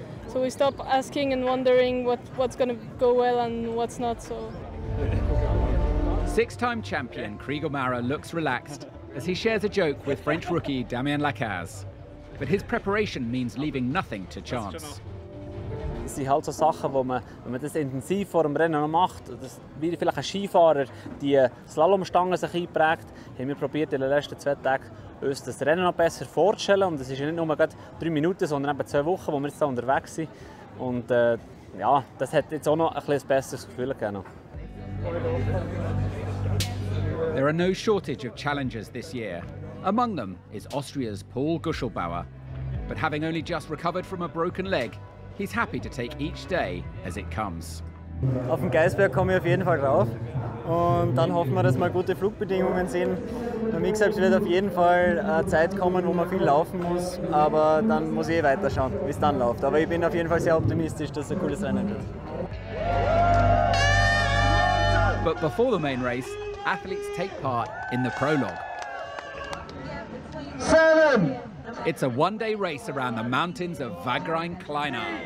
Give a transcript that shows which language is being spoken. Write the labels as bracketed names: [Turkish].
[English] So we stop asking and wondering what's going to go well and what's not. So. Six-time champion Craig O'Mara looks relaxed as he shares a joke with French rookie Damien Lacaze. But his preparation means leaving nothing to chance. [German] Es sind halt so Sachen, wo man, wenn man das intensiv vor dem Rennen noch macht, das, wie vielleicht ein Skifahrer, die Slalomstangen sich einprägt, haben wir probiert in den letzten zwei Tagen uns das Rennen noch besser vorzustellen. Und es ist nicht nur gerade 3 Minuten, sondern eben 2 Wochen, wo wir jetzt da unterwegs sind. Und ja, das hat jetzt auch noch ein bisschen besseres Gefühl gegeben. [English] There are no shortage of challenges this year. Among them is Austria's Paul Guschelbauer. But having only just recovered from a broken leg, he's happy to take each day as it comes. [German] Auf dem Geisberg komme ich auf jeden Fall drauf. Und dann hoffen wir, dass wir gute Flugbedingungen sehen. Für mich selbst wird auf jeden Fall eine Zeit kommen, wo man viel laufen muss. Aber dann muss ich eh weiterschauen, wie es dann läuft. Aber ich bin auf jeden Fall sehr optimistisch, dass es ein cooles Rennen wird. [English] But before the main race, athletes take part in the prologue. 7! It's a one-day race around the mountains of Vagrein Kleiner.